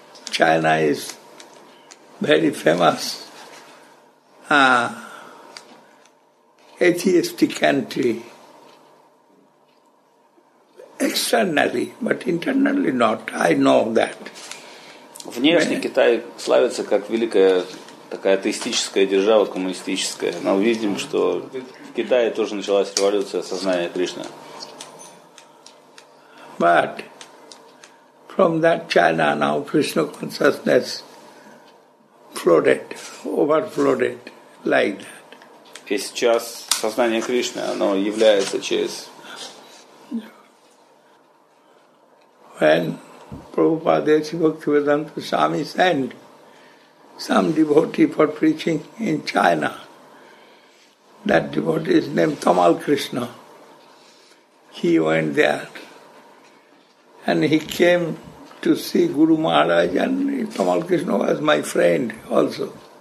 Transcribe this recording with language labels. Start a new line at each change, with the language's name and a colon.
English: China is very famous atheistic country, externally, but internally not. I know that.
Russian: Внешне Китай славится как великая такая атеистическая держава, коммунистическая. Но видим, что в Китае тоже началась революция сознания Кришны.
English: But from that China now Krishna consciousness overflowed like that.
Russian: И сейчас сознание Кришны, оно является через...
English: When Prabhupada Bhaktivedanta Swami sent some devotee for preaching in China, that devotee is named Tamal Krishna. He went there and he came to see Guru Maharaj, and Tamal Krishna was my friend also.